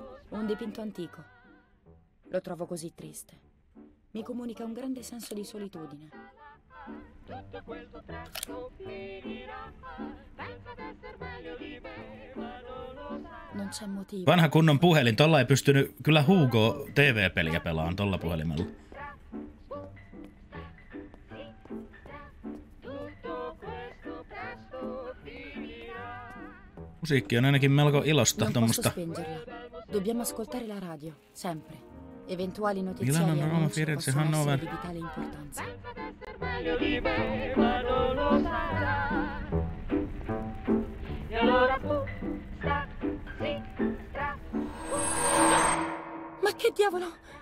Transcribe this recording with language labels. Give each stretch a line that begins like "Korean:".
Italian: un dipinto antico. Lo trovo così triste. Mi comunica un grande senso di solitudine. Tutto questo presto finirà. Pensa di essere meglio di me, ma non lo sa. Non c'è motivo.
Finnish: Vanha kunnon puhelin, tolla ei pystynyt. Kyllä Hugo TV-peliä pelaan tolla puhelimella. Musiikki on ainakin melko ilosta tuommoista.
Italian: Dobbiamo ascoltare la radio, sempre. Eventuali notizie non sono di vitale importanza. Pensa di essere meglio di me, ma non lo sarà. E allora tu, sta. Ma che diavolo?